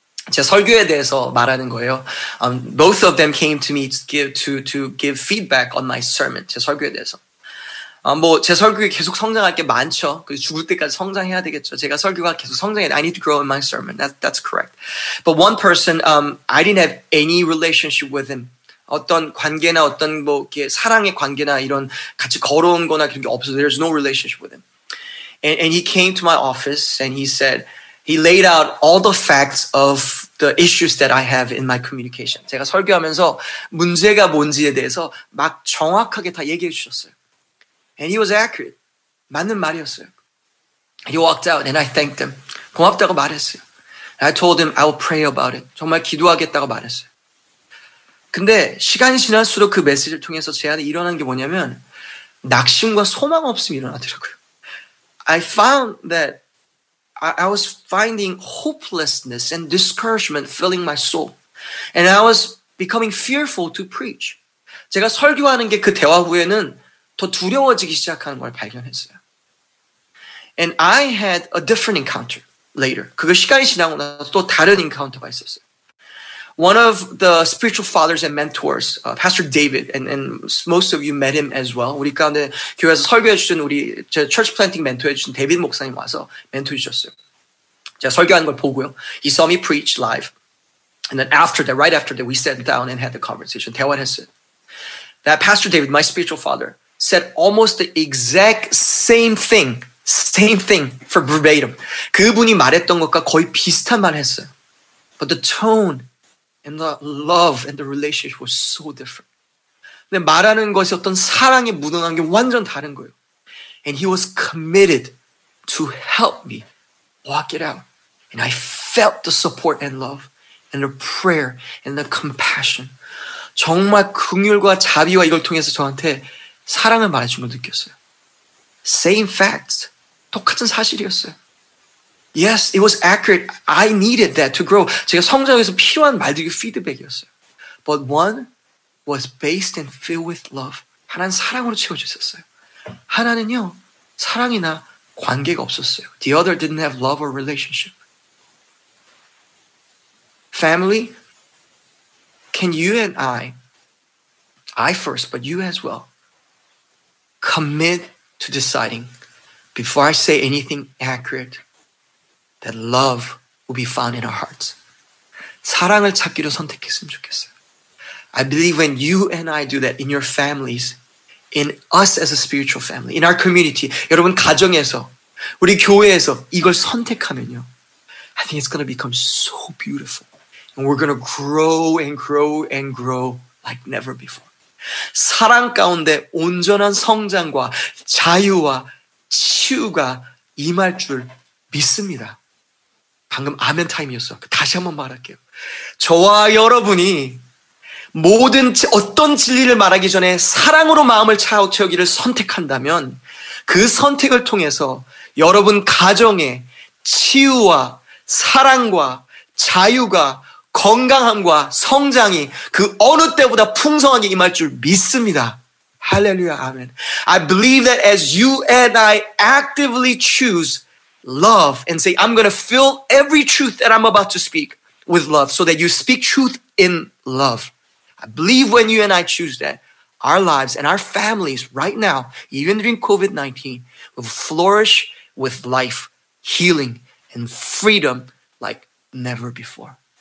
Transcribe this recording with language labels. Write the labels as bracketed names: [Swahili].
[Korean] 제 설교에 대해서 말하는 거예요. [English] Both of them came to me to give feedback on my sermon. [Korean] 제 설교에 대해서. 제 설교가 계속 성장할 게 많죠. 그래서 죽을 때까지 성장해야 되겠죠. 제가 설교가 계속 성장해. [English] I need to grow in my sermon. That's correct. But one person, I didn't have any relationship with him. [Korean] 어떤 관계나 어떤 뭐 이렇게 사랑의 관계나 이런 같이 걸어온 거나 그런 게 없어서 [English] there's no relationship with him. And he came to my office and he said, He laid out all the facts of the issues that I have in my communication. [Korean] 제가 설교하면서 문제가 뭔지에 대해서 막 정확하게 다 얘기해 주셨어요. [English] And he was accurate. [Korean] 맞는 말이었어요. [English] He walked out and I thanked him. [Korean] 고맙다고 말했어요. [English] And I told him I will pray about it. [Korean] 정말 기도하겠다고 말했어요. 근데 시간이 지날수록 그 메시지를 통해서 제 안에 일어난 게 뭐냐면 낙심과 소망 없음이 일어나더라고요. [English] I found that I was finding hopelessness and discouragement filling my soul. And I was becoming fearful to preach. [Korean] 제가 설교하는 게 그 대화 후에는 더 두려워지기 시작하는 걸 발견했어요. [English] And I had a different encounter later. [Korean] 그거 시간이 지나고 나서 또 다른 encounter가 있었어요. [English] One of the spiritual fathers and mentors, Pastor David, and most of you met him as well. [Korean] 우리 가운데 교회에서 설교해 주신 우리 제 church planting mentor 해 주신 데이비드 목사님 와서 멘토 주셨어요. 제가 설교하는 걸 보고요. [English] He saw me preach live. And then after that, right after that, we sat down and had the conversation. [Korean] 대화했어요. [English] That Pastor David, my spiritual father, said almost the exact same thing for verbatim. [Korean] 그분이 말했던 것과 거의 비슷한 말을 했어요. [English] But the tone and the love and the relationship was so different. [Korean] 근데 말하는 것이 어떤 사랑에 무던한 게 완전 다른 거예요. [English] And he was committed to help me walk it out. And I felt the support and love and the prayer and the compassion. [Korean] 정말 긍휼과 자비와 이걸 통해서 저한테 사랑을 말해준 걸 느꼈어요. [English] Same facts. [Korean] 똑같은 사실이었어요. [English] Yes, it was accurate. I needed that to grow. [Korean] 제가 성장에서 필요한 말들이 피드백이었어요. [English] But one was based and filled with love. [Korean] 하나는 사랑으로 채워졌었어요. 하나는요, 사랑이나 관계가 없었어요. [English] The other didn't have love or relationship. Family, can you and I first, but you as well, commit to deciding before I say anything accurate that love will be found in our hearts. [Korean] 사랑을 찾기로 선택했으면 좋겠어요. [English] I believe when you and I do that in your families, in us as a spiritual family, in our community, [Korean] 여러분 가정에서, 우리 교회에서 이걸 선택하면요. [English] I think it's going to become so beautiful. And we're going to grow and grow and grow like never before. [Korean] 사랑 가운데 온전한 성장과 자유와 치유가 임할 줄 믿습니다. 방금 아멘 타임이었어. 다시 한번 말할게요. 저와 여러분이 모든 어떤 진리를 말하기 전에 사랑으로 마음을 채우기를 선택한다면 그 선택을 통해서 여러분 가정에 치유와 사랑과 자유가 건강함과 성장이 그 어느 때보다 풍성하게 임할 줄 믿습니다. 할렐루야, 아멘. [English] I believe that as you and I actively choose love and say, I'm going to fill every truth that I'm about to speak with love so that you speak truth in love. I believe when you and I choose that, our lives and our families right now, even during COVID-19, will flourish with life, healing, and freedom like never before.